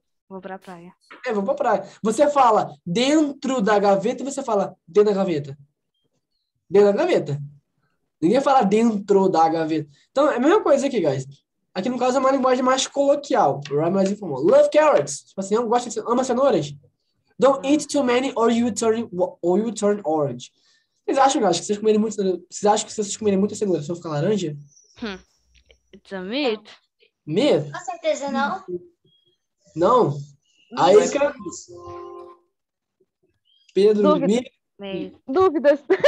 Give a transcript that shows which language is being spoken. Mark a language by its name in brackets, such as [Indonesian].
[Portuguese] Vou pra praia. É, vou pra praia. Você fala dentro da gaveta, você fala dentro da gaveta. Dentro da gaveta. Ninguém fala dentro da gaveta. Então, é a mesma coisa aqui, guys. Aqui, no caso, é uma linguagem mais coloquial. [English] Right? [Portuguese] Mais informal. [English] Love carrots. [Portuguese] Tipo assim, gosta de ama cenouras? [English] Don't eat too many or you turn orange. [Portuguese] Vocês acham, guys, que vocês comerem muito cenoura? Vocês acham que se vocês comerem muita cenoura, vocês vão ficar laranja? [English] It's a myth. Myth? [Portuguese] Com certeza não. Não? Aí é que Pedro, dúvidas.